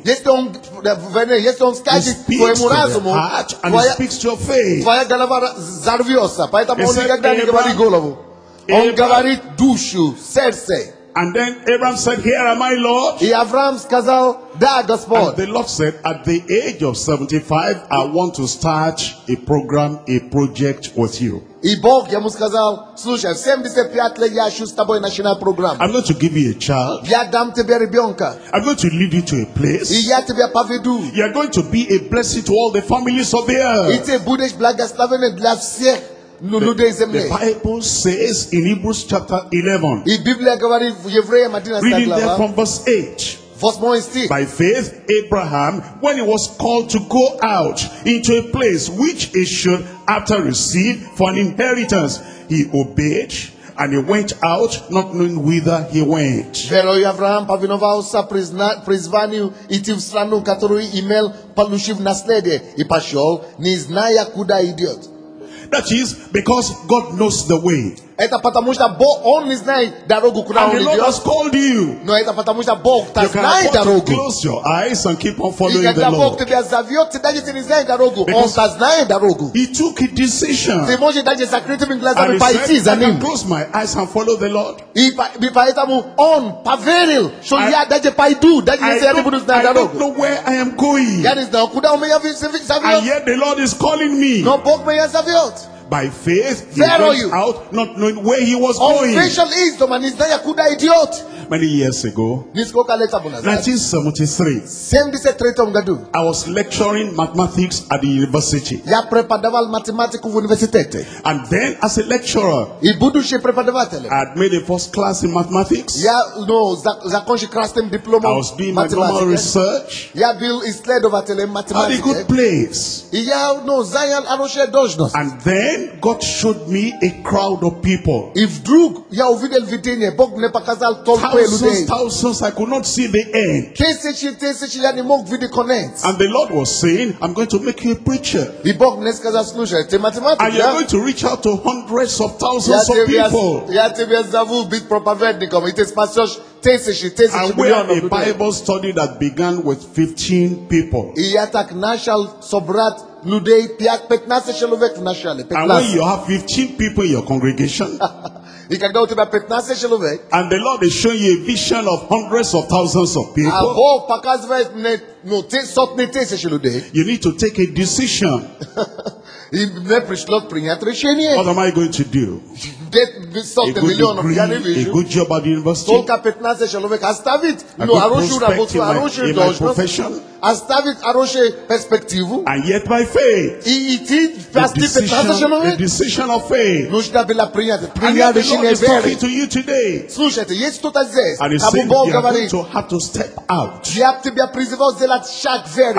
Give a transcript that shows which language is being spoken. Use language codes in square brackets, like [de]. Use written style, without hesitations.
[ru] Если он скажет твоему разуму, [en] He speaks to your faith. [ru] Твоя голова взорвется, поэтому он никогда не говорит голову. Он говорит душу, сердце. [en] And then Abraham said, Here am I, Lord. [ru] И Авраам сказал, да, Господь. [en] And the Lord said, At the age of 75, I want to start a program, a project with you. [ru] И Бог ему сказал, слушай, в 75 лет я хочу с тобой начинать программу. [en] I'm going to give you a child. [ru] Я дам тебе ребенка. [en] I'm going to lead you to a place. [ru] И я тебя поведу. [en] You're going to be a blessing to all the families of the earth. [ru] И ты будешь благословенным для всех. [en] The Bible says in Hebrews chapter 11, reading there from verse 8, by faith, Abraham, when he was called to go out into a place which he should after receive for an inheritance, he obeyed. And he went out, not knowing whither he went. [ru] Верою Авраам повиновался призванию идти в страну, которую имел, получив наследие, и пошел, не зная, куда идет. [en] That is because God knows the way. [ru] Это потому что Бог он не знает дорогу куда он идет. [en] And the Lord has called you. [ru] Но это потому что Бог так знает дорогу. [en] Close your eyes and keep on following the Lord. [ru] И когда Бог тебя зовет, ты даже не знаешь дорогу. Он так знает дорогу. [en] He took a decision. [ru] Ты можешь даже закрыть глазами пойти за ним. [en] I close my eyes and follow the Lord. [ru] И поэтому он поверил, что я даже пойду, даже если я не буду знать дорогу. [en] I don't know where I am going. [ru] Я не знаю куда у меня зовет. [en] And yet the Lord is calling me. [ru] Но Бог меня зовет. [en] By faith, he went out, not knowing where he was going. Official is the man is there, could I idiot? Many years ago, 1973, I was lecturing mathematics at the university. [ru] Я преподавал математику в университете. [en] And then, as a lecturer, [ru] и будучи преподавателем, [en] I had made a first class in mathematics. [ru] Я, no, закончил красным дипломом. [en] I was doing my normal research. [ru] Я был исследователем математики. [en] At a good place. [ru] И я, no, занял хорошую должность. [en] And then God showed me a crowd of people. [ru] И вдруг я увидел видение, Бог мне показал толпу. [en] Thousands, I could not see the end. [ru] Тысячи, я не мог видеть конец. [en] And the Lord was saying, I'm going to make you a preacher. [ru] И Бог мне сказал, слушай, ты математик, да? [en] And you're going to reach out to hundreds of thousands of people. [ru] Я тебя зову быть проповедником, и ты спасешь тысячи, тысячи. [en] And we have a Bible study that began with 15 people. [ru] И я так начал собрать людей, 15 человек в начале. [en] And when you have 15 people in your congregation, [ru] и когда у тебя 15 человек, [en] and the Lord is showing you a vision of hundreds of thousands of people, [ru] а Бог показывает мне, ну, сотни тысяч людей, [en] you need to take a decision. [ru] И мне пришлось принять решение. [en] What am I going to do? Get a good job at the university. [ru] Только 15 человек. Оставить, ну, хорошую работу, хорошую должность. Оставить хорошую перспективу. [en] And yet by faith. [ru] И идти спасти 15 человек. [en] A decision of faith. [ru] Нужно было принять решение веры. [en] And the Lord is talking to you today. [ru] Слушайте, есть кто-то здесь. [en] And he's saying, you are going to have to step out. [ru] Я тебя призывал сделать шаг веры.